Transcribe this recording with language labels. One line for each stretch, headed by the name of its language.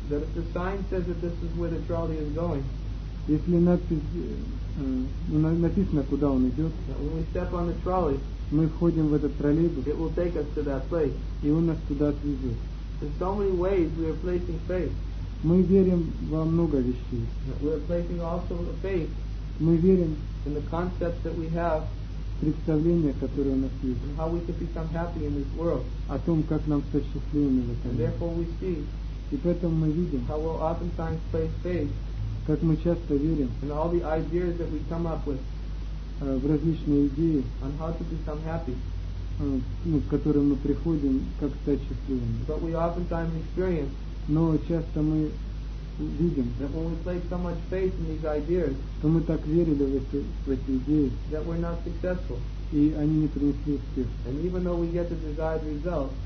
English: That if the sign says that this is where the trolley is going.
Russian: Если надпись, написано, куда он идет.
English: When we step on the trolley.
Russian: Мы входим в этот троллейбус.
English: It will take us to that place.
Russian: И он нас туда отвезет.
English: There's so many ways we are placing faith.
Russian: Мы верим во много вещей.
English: We are placing also the faith.
Russian: Мы верим
English: in the concepts that we have.
Russian: Представление, которое у нас есть,
English: how we could become happy in this world.
Russian: О том, как нам стать счастливыми в этом мире. И поэтому мы видим,
English: how we'll oftentimes place faith,
Russian: как мы часто верим
English: in all the ideas that we come up with,
Russian: в различные идеи,
English: on how to become happy,
Russian: к которым мы приходим, как стать счастливыми.
English: But we oftentimes experience,
Russian: но часто мы видим,
English: that when we place so much faith in these ideas,
Russian: то мы так верили в эти идеи,
English: that we're not successful,
Russian: и они не принесли успеха.
English: And even though we get the desired result,